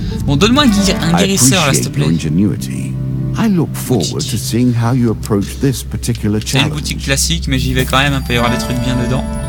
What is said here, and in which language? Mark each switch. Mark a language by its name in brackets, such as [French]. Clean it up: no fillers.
[French] Bon, donne-moi un guérisseur, là, s'il te plaît. [English] Ingenuity. I look forward to seeing how you approach this particular challenge. [French] C'est une boutique classique, mais j'y vais quand même. Il peut y avoir des trucs bien dedans.